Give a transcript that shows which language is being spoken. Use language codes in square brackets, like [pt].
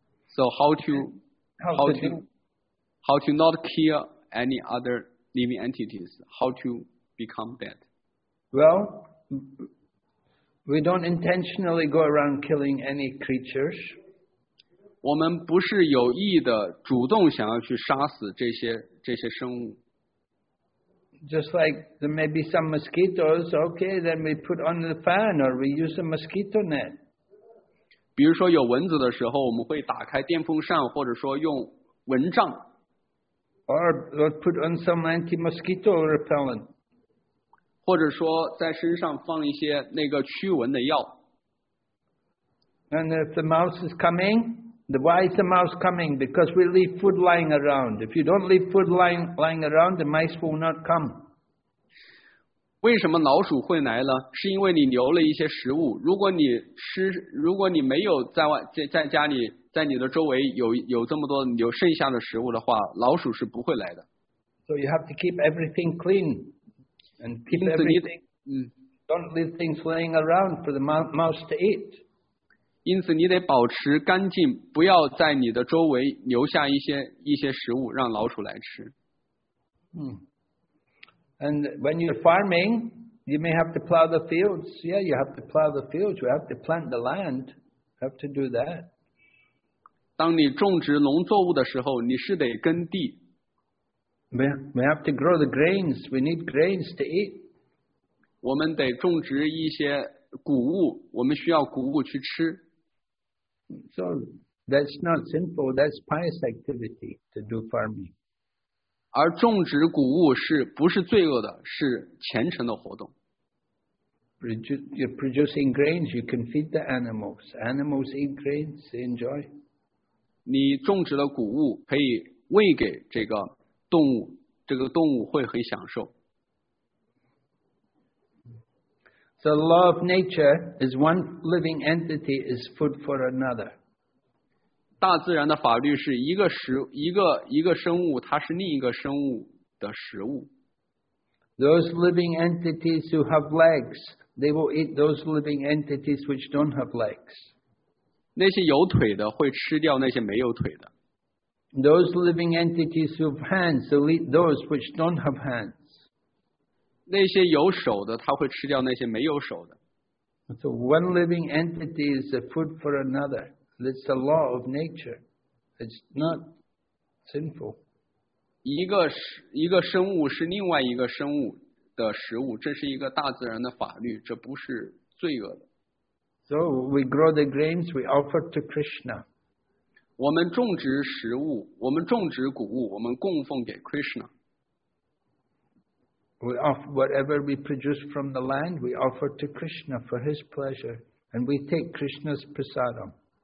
[en] So how to not kill any other living entities? How to become that? Well,we don't intentionally go around killing any creatures. [zh] 我们不是有意的主动想要去杀死这些生物。 [en] Just like there may be some mosquitoes, okay, then we put on the fan or we use a mosquito net. [zh] 比如说有蚊子的时候，我们会打开电风扇，或者说用蚊帐。 [en] Or put on some anti-mosquito repellent. [zh] 或者说在身上放一些那个驱蚊的药。 [en] And if the mouse is coming, why is the mouse coming? Because we leave food lying around. If you don't leave food lying around, the mice will not come. [zh] 为什么老鼠会来呢？是因为你留了一些食物。如果你没有在家里，在你的周围有这么多有剩下的食物的话，老鼠是不会来的。 [en] So you have to keep everything clean and keep everything. Don't leave things laying around for the mouse to eat. [zh] 因此你得保持干净，不要在你的周围留下一些食物让老鼠来吃。 [en] And when you're farming, you may have to plow the fields. Yeah, you have to plow the fields. You have to plant the land. You have to do that. [zh] 当你种植农作物的时候，你是得耕地。 [en] We have to grow the grains. We need grains to eat. [zh] 我们得种植一些谷物，我们需要谷物去吃。 [en] So that's not simple. That's pious activity to do farming. [zh] 而种植谷物是不是罪恶的？是虔诚的活动。 [en] You're producing grains, you can feed the animals. Animals eat grains, they enjoy. [zh] 你种植的谷物可以喂给这个动物，这个动物会很享受。 [en] The law of nature is one living entity is food for another. [zh] 大自然的法律是一个生物，它是另一个生物的食物。 [en] Those living entities who have legs, they will eat those living entities which don't have legs. [zh] 那些有腿的会吃掉那些没有腿的。 [en] Those living entities who have hands, they'll eat those which don't have hands. [zh] 那些有手的，它会吃掉那些没有手的。 [en] So one living entity is a food for another. It's the law of nature. It's not sinful. [zh] 一个生物是另外一个生物的食物，这是一个大自然的法律，这不是罪恶的。 [en] So we grow the grains we offer to Krishna. [zh] 我们种植食物，我们种植谷物，我们供奉给 Krishna. [en] We offer whatever we produce from the land, we offer to Krishna for his pleasure, and we take Krishna's prasadam.